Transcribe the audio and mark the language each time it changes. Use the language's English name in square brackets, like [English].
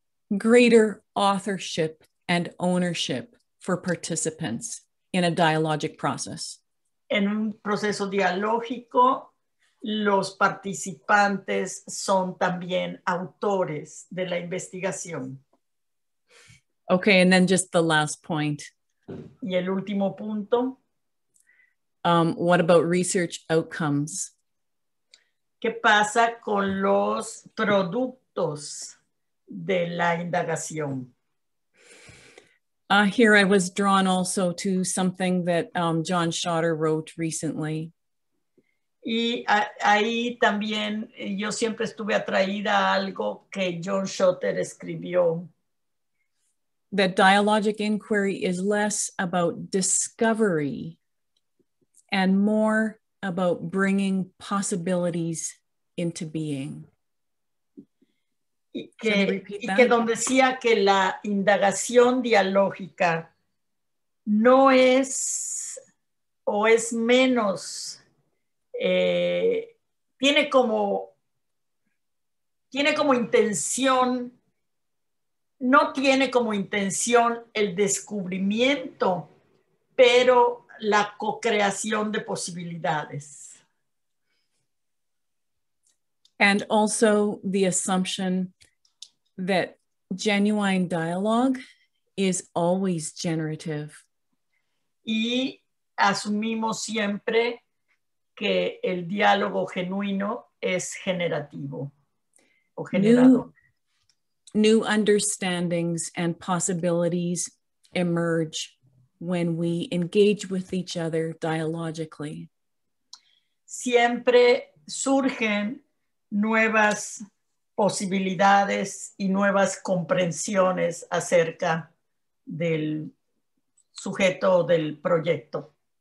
[English] Greater authorship and ownership for participants in a dialogic process. [Spanish] En un proceso dialógico, los participantes son también autores de la investigación. [English] Okay, and then just the last point. [Spanish] Y el último punto. [English] What about research outcomes? [Spanish] ¿Qué pasa con los productos de la indagación? [English] Here I was drawn also to something that John Schotter wrote recently. [Spanish] Y ahí también yo siempre estuve atraída a algo que John Schotter escribió. [English] That dialogic inquiry is less about discovery and more about bringing possibilities into being. [Spanish] Y que donde decía que la indagación dialógica no es o es menos, tiene como intención. No tiene como intención el descubrimiento, pero la co-creación de posibilidades. [English] And also the assumption that genuine dialogue is always generative. [Spanish] Y asumimos siempre que el diálogo genuino es generativo o generador. [English] New understandings and possibilities emerge when we engage with each other dialogically. [Spanish] Siempre surgen nuevas posibilidades y nuevas comprensiones acerca del sujeto del proyecto.